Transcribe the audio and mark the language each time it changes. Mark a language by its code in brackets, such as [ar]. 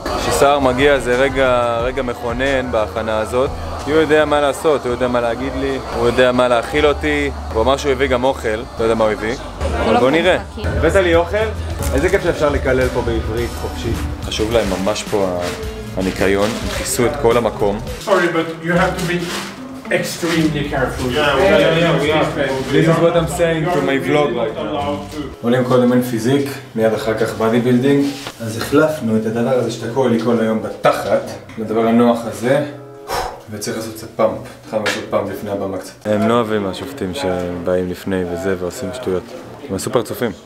[he] כשסער מגיע זה רגע מכונן בהכנה הזאת, כי הוא יודע מה לעשות, הוא יודע מה להגיד לי, הוא יודע מה להאכיל אותי, הוא אמר שהוא הביא גם אוכל, לא יודע מה הוא הביא, אבל בוא נראה. הבאת לי אוכל? איזה כיף שאפשר לקלל פה בעברית חופשית. חשוב להם ממש פה הניקיון, הם כיסו את כל המקום. [en] Sorry, but you have to be... extremely careful. Yeah, this is what I'm saying to my vlog right now. [he] עולים קודם אין פיזיק, מיד אחר כך body building. אז החלפנו את הדבר הזה שתקוע לי כל היום בתחת, לדבר הנוח הזה, וצריך לעשות קצת פאמפ. התחלנו לעשות פאמפ לפני הבמה קצת. הם לא אוהבים מהשופטים שבאים לפני וזה ועושים שטויות. הם סופר צופים.